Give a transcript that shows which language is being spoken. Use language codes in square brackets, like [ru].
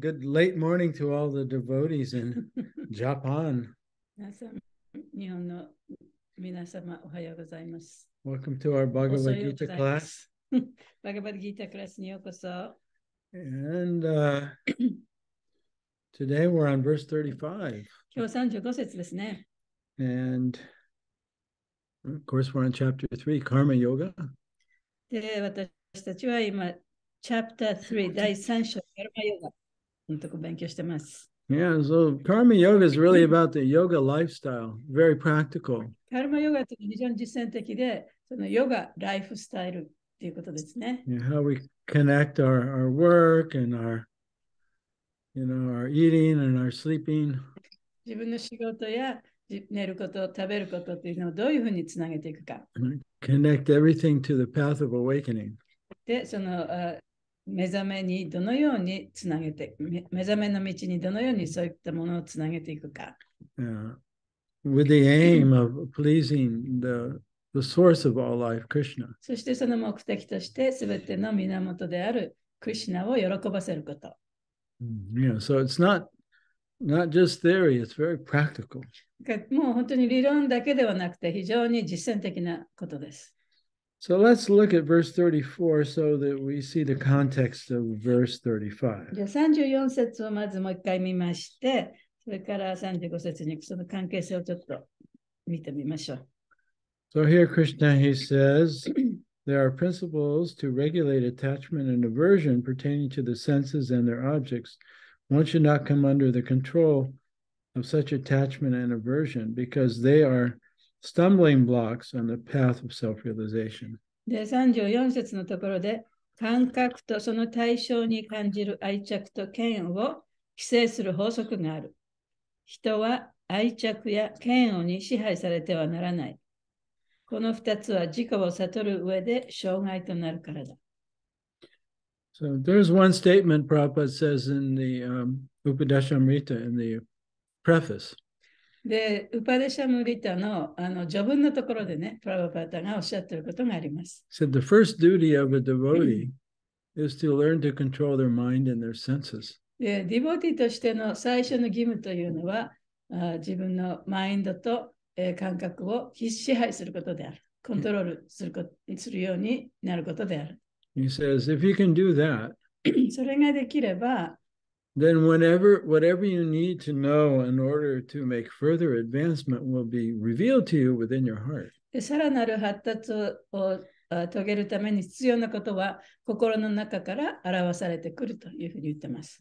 [en] Good late morning to all the devotees in Japan. [ja] 日本の皆様おはようございます。 [en] Welcome to our Bhagavad Gita class. [ja] Bhagavad Gita class にようこそ。 [en] And today we're on verse 35. [ja] 今日35節ですね。 [en] And of course we're on chapter 3, Karma Yoga. [ja] で、私たちは今、 [en] chapter 3, [ja] 第3章、Karma Yoga のとこ勉強してます。 [en] Yeah, so Karma Yoga is really about the yoga lifestyle, very practical. [ja] Karma Yoga って非常に実践的で、そのヨガライフスタイルっていうことですね。 [en] Yeah, how we connect our work and our, you know, our eating and our sleeping. [ja] 自分の仕事や寝ること、食べることっていうのをどういうふうにつなげていくか。 [en] Connect everything to the path of awakening. [ja] で、その、目覚めにどのようにつなげて、目覚めの道にどのようにそういったものをつなげていくか。 [en] Yeah. With the aim of pleasing the source of all life, Krishna. [ja] そしてその目的として、すべての源であるクリシナを喜ばせること。 [en] Yeah, so it's not just theory, it's very practical. [ja] もう本当に理論だけではなくて、非常に実践的なことです。 [en] So let's look at verse 34 so that we see the context of verse 35. [ja] じゃあ34節をまずもう一回見まして、それから35節にその関係性をちょっと見てみましょう。 [en] So here Krishna, he says, there are principles to regulate attachment and aversion pertaining to the senses and their objects. One should not come under the control of such attachment and aversion because they are stumbling blocks on the path of self-realization. [ja] で、34節のところで、感覚とその対象に感じる愛着と嫌悪を規制する法則がある。人は愛着や嫌悪に支配されてはならない。この二つは自己を悟る上で障害となるからだ。 [en] So there's one statement Prabhupada says in the Upadeshamrita in the preface. [ja] で、ウパデシャムリタの、あの、序文のところでね、プラヴァパタがおっしゃっていることがあります。 [en] So the first duty of a devotee is to learn to control their mind and their senses. [ja] で、ディボティとしての最初の義務というのは、自分のマインドと感覚を非支配することである。コントロールすることするようになることである。 [en] He says, if you can do that, [ja] それができれば、 [en] then whatever you need to know in order to make further advancement will be revealed to you within your heart. [ja] で、さらなる発達を遂げるために必要なことは心の中から表されてくるというふうに言ってます。